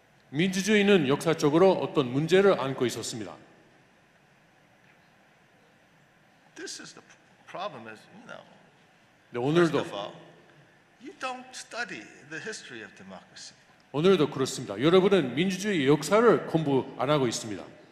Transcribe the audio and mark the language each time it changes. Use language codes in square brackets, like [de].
[ko] 민주주의는 역사적으로 어떤 문제를 안고 있었습니다. [en] This is the problem, as you know. [ko] 네, 오늘도 [en] First of all, you don't study the history of democracy. [ko] 오늘도 그렇습니다. 여러분은 민주주의 역사를 공부 안 하고 있습니다.